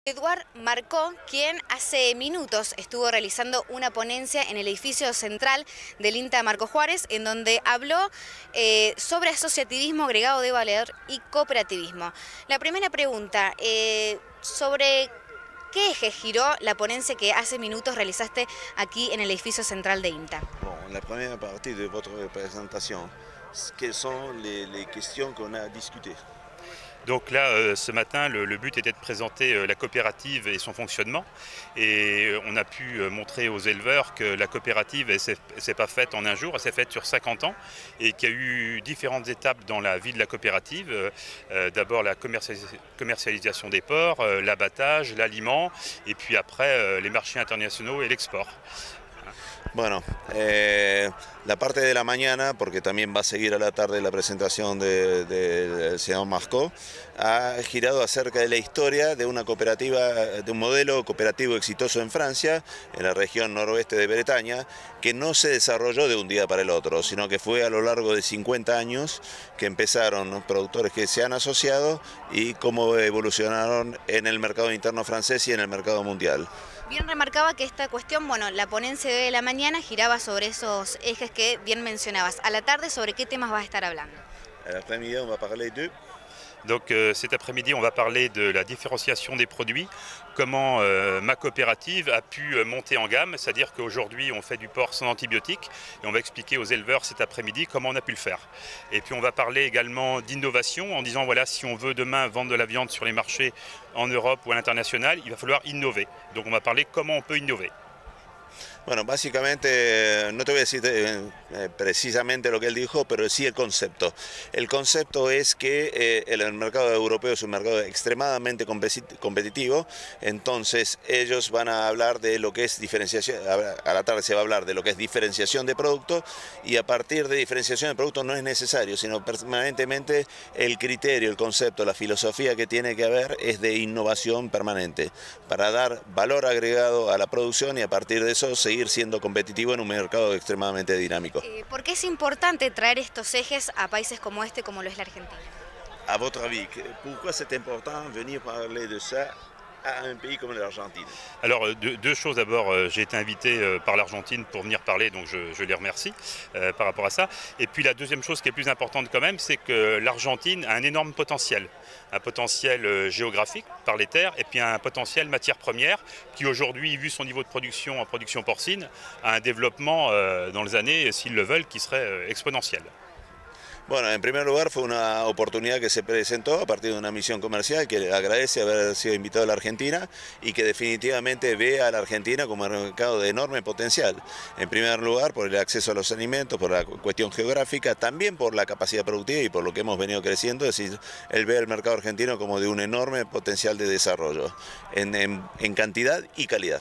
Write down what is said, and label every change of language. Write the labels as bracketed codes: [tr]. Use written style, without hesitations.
[es] Eduard Marcó, quien hace minutos estuvo realizando una ponencia en el edificio central del INTA Marco Juárez, en donde habló sobre asociativismo agregado de valor y cooperativismo. La primera pregunta, ¿sobre qué eje giró la ponencia que hace minutos realizaste aquí en el edificio central de INTA? Bueno, la primera parte de vuestra presentación, ¿qué son las cuestiones que vamos a discutir? [fr] Donc là, ce matin, le but était de présenter la coopérative et son fonctionnement. Et on a pu montrer aux éleveurs que la coopérative ne s'est pas faite en un jour, elle s'est faite sur 50 ans et qu'il y a eu différentes étapes dans la vie de la coopérative. D'abord la commercialisation des porcs, l'abattage, l'aliment et puis après les marchés internationaux et l'export. [es] Bueno, la parte de la mañana, porque también va a seguir a la tarde la presentación del señor Marcó, ha girado acerca de la historia de una cooperativa, de un modelo cooperativo exitoso en Francia, en la región noroeste de Bretaña, que no se desarrolló de un día para el otro, sino que fue a lo largo de 50 años que empezaron los productores que se han asociado y cómo evolucionaron en el mercado interno francés y en el mercado mundial. Bien remarcaba que esta cuestión, bueno, la ponencia de la mañana giraba sobre esos ejes que bien mencionabas. A la tarde, ¿sobre qué temas vas a estar hablando? A la tarde, vamos a hablar de... [fr] Donc cet après-midi, on va parler de la différenciation des produits, comment ma coopérative a pu monter en gamme, c'est-à-dire qu'aujourd'hui, on fait du porc sans antibiotiques, et on va expliquer aux éleveurs cet après-midi comment on a pu le faire. Et puis on va parler également d'innovation, en disant, voilà, si on veut demain vendre de la viande sur les marchés en Europe ou à l'international, il va falloir innover. Donc on va parler comment on peut innover. [es] Bueno, básicamente, no te voy a decir precisamente lo que él dijo, pero sí el concepto. El concepto es que el mercado europeo es un mercado extremadamente competitivo, entonces ellos van a hablar de lo que es diferenciación, a la tarde se va a hablar de lo que es diferenciación de producto, y a partir de diferenciación de producto no es necesario, sino permanentemente el criterio, el concepto, la filosofía que tiene que haber es de innovación permanente, para dar valor agregado a la producción y a partir de eso seguir siendo competitivo en un mercado extremadamente dinámico. ¿Por qué es importante traer estos ejes a países como este, como lo es la Argentina? [fr] A votre avis, pourquoi c'est important venir parler de ça à un pays comme l'Argentine? Alors, deux choses. D'abord, j'ai été invité par l'Argentine pour venir parler, donc je les remercie par rapport à ça. Et puis la deuxième chose qui est plus importante quand même, c'est que l'Argentine a un énorme potentiel. Un potentiel géographique par les terres et puis un potentiel matière première qui aujourd'hui, vu son niveau de production en production porcine, a un développement dans les années, s'ils le veulent, qui serait exponentiel. [es] Bueno, en primer lugar fue una oportunidad que se presentó a partir de una misión comercial que le agradece haber sido invitado a la Argentina y que definitivamente ve a la Argentina como un mercado de enorme potencial. En primer lugar por el acceso a los alimentos, por la cuestión geográfica, también por la capacidad productiva y por lo que hemos venido creciendo, es decir, él ve el mercado argentino como de un enorme potencial de desarrollo en cantidad y calidad.